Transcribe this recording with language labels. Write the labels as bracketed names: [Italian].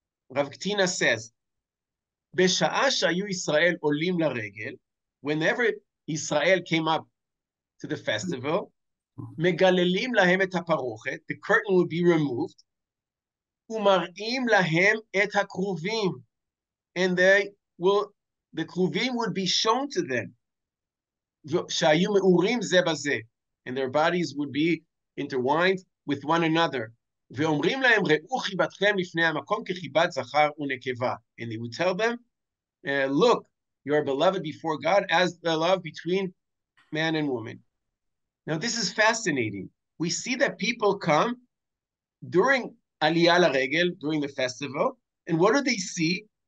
[English] Rav Ktina says, [Hebrew] Beshaa shayu Yisrael olim laregel, [English] whenever Israel came up to the festival, [Hebrew] megalelim lahem et haparochet, [English] the curtain would be removed, [Hebrew] umarim lahem et hakruvim, [English] and the kruvim would be shown to them, [Hebrew] shayu meurim ze bazeh, [English] and their bodies would be intertwined with one another, [Hebrew] ואומרים להם, ראו חיבתכם לפני המקום כחיבת זכר ונקבה. [English] And they would tell them, look, you are beloved before God as the love between man and woman. Now, this is fascinating. We see that people come during Aliyah LaRegel, during the festival, and what do they see?